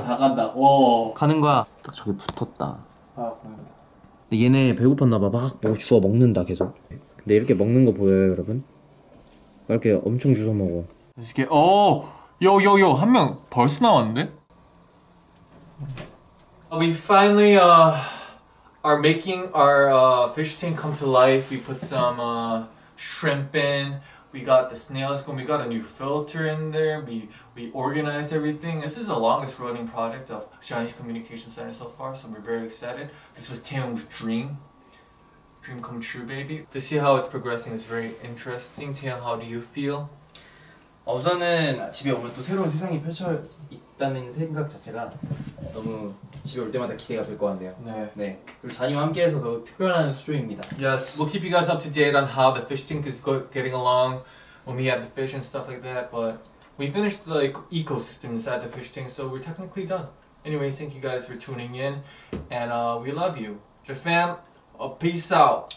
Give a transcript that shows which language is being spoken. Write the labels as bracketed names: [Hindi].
[Korean] 다 간다. 오. 가는 거야. 딱 저기 붙었다. 아, 고맙다. 얘네 배고팠나봐. 막 주워 먹는다 계속. 근데 이렇게 먹는 거 보여요 여러분? 이렇게 엄청 주워 먹어. 이렇게 어, 요요요 한 명 벌써 나왔는데? [English] We finally are making our fish tank come to life. We put some shrimp in. We got the snails going. We got a new filter in there. We organized everything. This is the longest running project of Chinese Communication Center so far, so we're very excited. This was Taeyong's dream. Dream come true, baby. To see how it's progressing is very interesting. Taeyong, how do you feel? [Korean] 우선은 집에 오면 또 새로운 세상이 펼쳐 있다는 생각 자체가 너무 집에 올 때마다 기대가 될 것 같네요. 네. 네. 그리고 자님과 함께해서 더 특별한 수조입니다. [English] Yes, we'll keep you guys up to date on how the fish tank is getting along when we have the fish and stuff like that, but we finished the ecosystem inside the fish tank, so we're technically done. Anyways, thank you guys for tuning in, and we love you. Jafam, peace out.